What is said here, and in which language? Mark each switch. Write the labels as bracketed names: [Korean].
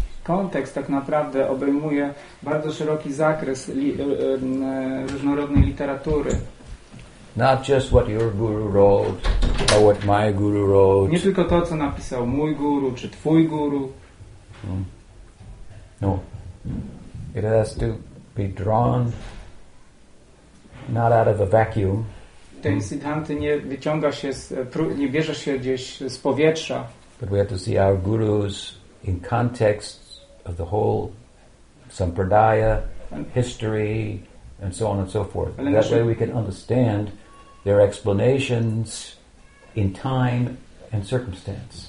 [Polish] Kontekst tak naprawdę obejmuje bardzo szeroki zakres różnorodnej literatury. [English] Not just what your guru wrote, or what my guru wrote. [Polish] Nie tylko to, co napisał mój guru, czy twój guru. [English] No. It has to be drawn not out of a vacuum. [Polish] Ten Siddhanty nie wyciąga się, nie bierze się gdzieś z powietrza. [English] But we have to see our gurus in context of the whole sampradaya, history, and so on and so forth. That way we can understand their explanations in time and circumstance.